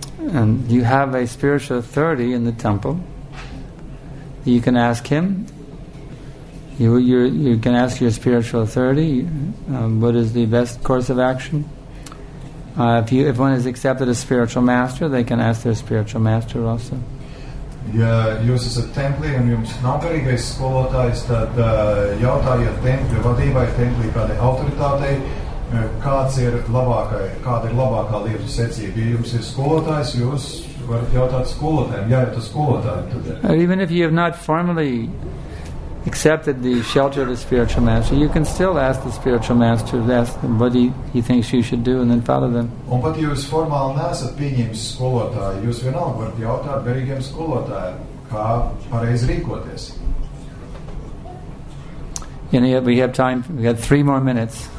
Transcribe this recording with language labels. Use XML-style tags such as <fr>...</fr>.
<en>And you have a spiritual authority in the temple. You can ask him. You can ask your spiritual authority what is the best course of action. If one has accepted a spiritual master, they can ask their spiritual master also.</en> <lv>Ja jūs esat templī un jums nākarīgais skolotājs, tad jautājiet templī, vadībai templī kādai autoritātei, kāda ir labākā lietu secība. Ja jums ir skolotājs, jūs varat jautāt skolotājiem. Jā, ir tas skolotājs.</lv> <en>Or even if you have not formally accepted the shelter of the spiritual master, you can still ask the spiritual master to ask them what he thinks you should do and then follow them.</en> <lv>Un pat jūs formāli neesat pieņēmis skolotāju, jūs vienalga varat jautāt garīgiem skolotājiem, kā pareizi rīkoties.</lv> <en>You know, we have time, we have 3 more minutes.</en>